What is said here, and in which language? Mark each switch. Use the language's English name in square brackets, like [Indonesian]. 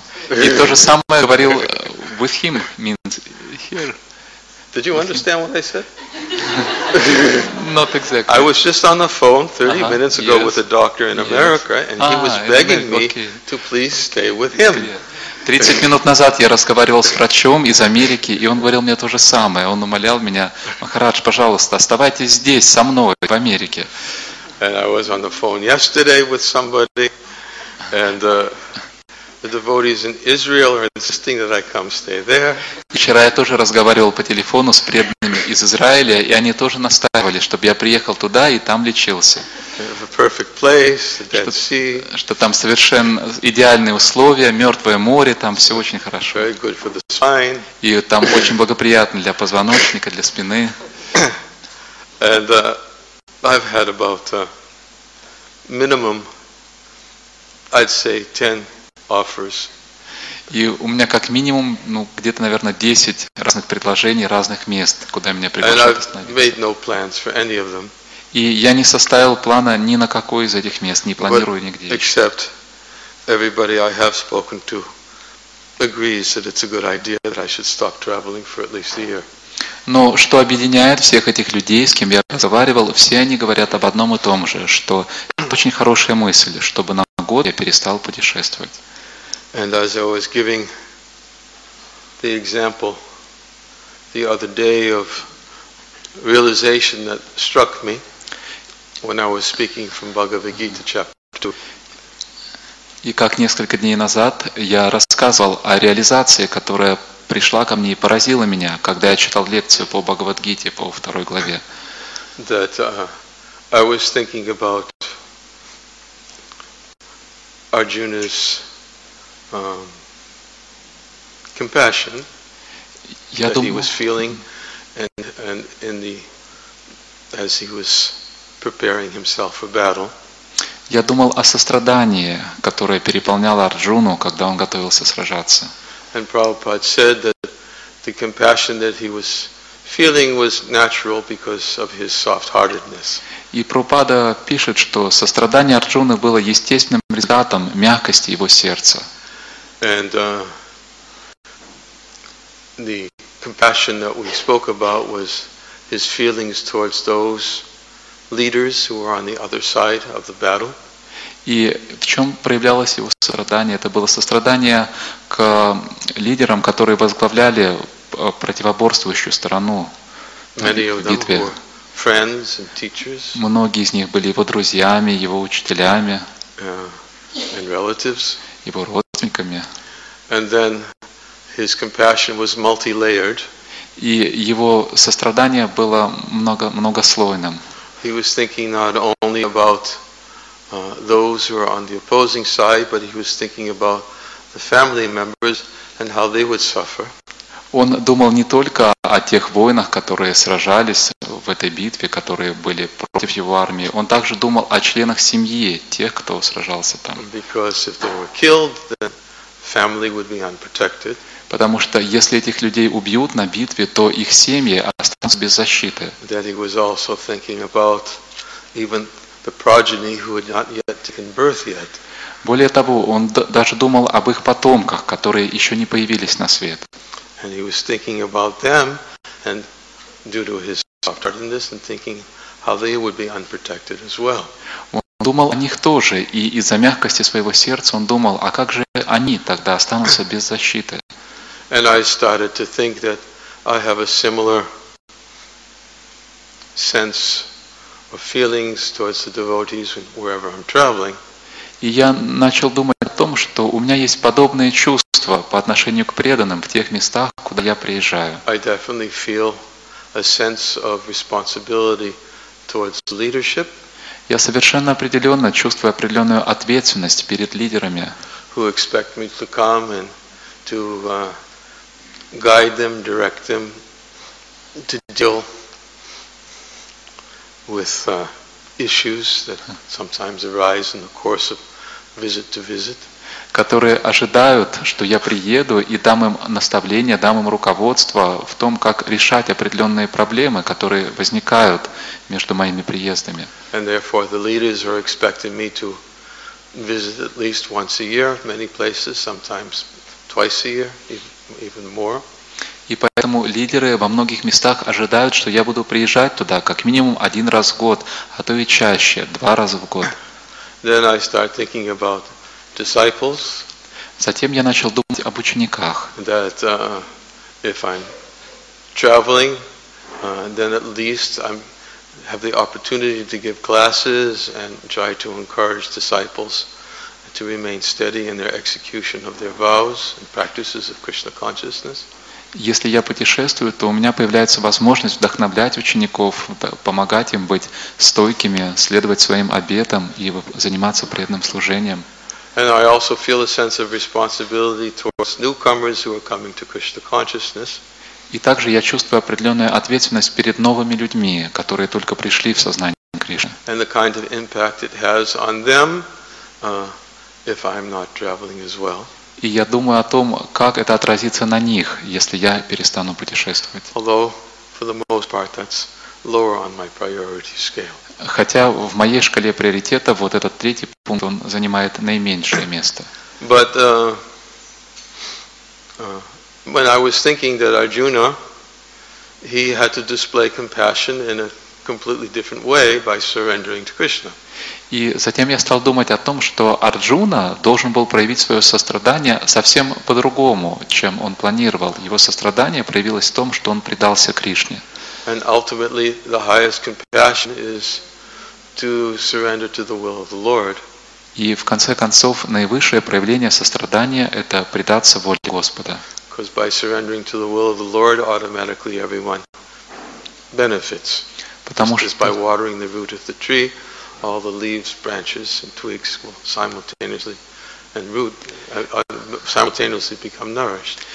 [Russian] И то же самое говорил [English] with him means here. Did you understand what I said? Not exactly. I was just on the phone 30 minutes ago with a doctor in America, and he was begging me to please stay with him. [Russian] 30 минут назад я разговаривал с врачом из Америки, и он говорил мне то же самое. Он умолял меня: "Махарадж, пожалуйста, оставайтесь здесь со мной в Америке." [English] And I was on the phone yesterday with somebody, and the devotees in Israel are insisting that I come stay there. [Russian] Вчера я тоже разговаривал по телефону с преданными из Израиля, и они тоже настаивали, чтобы я приехал туда и там лечился. [English] A perfect place, the Dead Sea. [Russian] Что там совершенно идеальные условия, мертвое море, там все очень хорошо. [English] Very good for the spine. [Russian] И там очень благоприятно для позвоночника, для спины. [English] And I've had about minimum, I'd say, 10 offers. [Russian] И у меня как минимум, ну, где-то, наверное, 10 разных предложений, разных мест, куда меня приглашают. И я не составил плана ни на какое из этих мест, не планирую нигде. [English] Except everybody I have spoken to agrees that it's a good idea that I should stop traveling for at least a year. [Russian] Но что объединяет всех этих людей, с кем я разговаривал, все они говорят об одном и том же, что это очень хорошая мысль, чтобы на год я перестал путешествовать. [English] And as I was giving the example the other day of realization that struck me when I was speaking from Bhagavad Gita chapter 2. [Russian] И как несколько дней назад я рассказывал о реализации, которая пришла ко мне и поразила меня, когда я читал лекцию по Бхагавад-гите по второй главе. [English] That I was thinking about Arjuna's compassion that he was feeling, and in the as he was preparing himself for battle. [Russian] Я думал о сострадании, которое переполняло Арджуну, когда он готовился сражаться. [English] And Prabhupada said that the compassion that he was feeling was natural because of his soft-heartedness. [Russian] И Прабхупада пишет, что сострадание Арджуны было естественным результатом мягкости его сердца. [English] And the compassion that we spoke about was his feelings towards those leaders who were on the other side of the battle. [Russian] И в чем проявлялось его сострадание? Это было сострадание к лидерам, которые возглавляли противоборствующую сторону в битве. [English] Friends and teachers. [Russian] Многие из них были его друзьями, его учителями, [English] and relatives. [Russian] Его родственниками. [English] And then his compassion was multi-layered. [Russian] И его сострадание было многослойным. [English] He was thinking not only about those who are on the opposing side, but he was thinking about the family members and how they would suffer. [Russian] Он думал не только о тех воинах, которые сражались в этой битве, которые были против его армии. Он также думал о членах семьи, тех, кто сражался там. [English] Because if they were killed, then family would be unprotected. [Russian] Потому что если этих людей убьют на битве, то их семьи останутся без защиты. [English] That he was also thinking about even the progeny who had not yet taken birth yet. [Russian] Более того, он даже думал об их потомках, которые еще не появились на свет. [English] And he was thinking about them, and due to his soft-heartedness, and thinking how they would be unprotected as well. [Russian] Он думал о них тоже, и из-за мягкости своего сердца он думал, а как же они тогда останутся без защиты? [English] And I started to think that I have a similar sense of feelings towards the devotees wherever I'm traveling. [Russian] И я начал думать о том, что у меня есть подобные чувства по отношению к преданным в тех местах, куда я приезжаю. [English] I definitely feel a sense of responsibility towards leadership. [Russian] Я совершенно определенно чувствую определенную ответственность перед лидерами, [English] who expect me to come and to guide them, direct them, to deal with issues that sometimes arise in the course of visit to visit. [Russian] Которые ожидают, что я приеду и дам им наставление, дам им руководство в том, как решать определенные проблемы, которые возникают между моими приездами. [English] And therefore the leaders are expecting me to visit at least once a year, many places, sometimes twice a year, even more. [Russian] И поэтому лидеры во многих местах ожидают, что я буду приезжать туда как минимум один раз в год, а то и чаще, два раза в год. [English] Then I start thinking about disciples. [Russian] Затем я начал думать об учениках. [English] That if I'm traveling, then at least I have the opportunity to give classes and try to encourage disciples to remain steady in their execution of their vows and practices of Krishna consciousness. [Russian] Если я путешествую, то у меня появляется возможность вдохновлять учеников, помогать им быть стойкими, следовать своим обетам и заниматься преданным служением. [English] And I also feel a sense of responsibility towards newcomers who are coming to Krishna consciousness. [Russian] И также я чувствую определенную ответственность перед новыми людьми, которые только пришли в сознание Кришны. [English] And the kind of impact it has on them if I'm not traveling as well. [Russian] И я думаю о том, как это отразится на них, если я перестану путешествовать. [English] Although, for the most part, that's lower on my priority scale. [Russian] Хотя в моей шкале приоритета вот этот третий пункт, он занимает наименьшее место. [English] But when I was thinking that Arjuna, he had to display compassion in a completely different way by surrendering to Krishna. [Russian] И затем я стал думать о том, что Арджуна должен был проявить свое сострадание совсем по-другому, чем он планировал. Его сострадание проявилось в том, что он предался Кришне. [English] And ultimately the highest compassion is to surrender to the will of the Lord. [Russian] И в конце концов наивысшее проявление сострадания – это предаться воле Господа. [English] Because by surrendering to the will of the Lord, automatically everyone benefits. [Russian] Потому что [English] by watering the root of the tree, all the leaves, branches, and twigs will simultaneously and root simultaneously become nourished.